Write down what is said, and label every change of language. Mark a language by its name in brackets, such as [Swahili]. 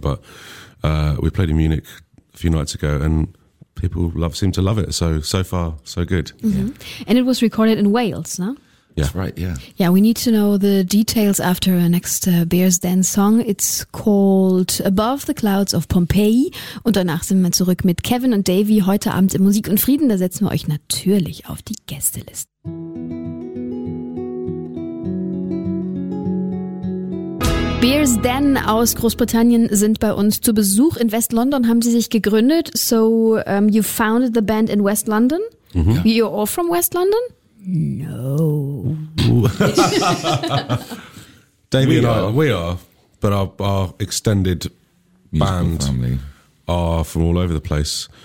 [English] But we played in Munich a few nights ago and people seem to love it. So far, so good. Mm-hmm. Yeah. And it was recorded in Wales, no? Yeah. That's right, yeah. Yeah, we need to know the details after our next Bears Den song. It's called Above the Clouds of Pompeii. [German] Und danach sind wir zurück mit Kevin und Davey heute Abend im Musik und Frieden. Da setzen wir euch natürlich auf die Gästeliste. Bears Den aus Großbritannien sind bei uns zu Besuch. In West London haben sie sich gegründet. [English] So you founded the band in West London? Mm-hmm. You're all from West London? No. Davey and I, we are, but our extended band are from all over the place.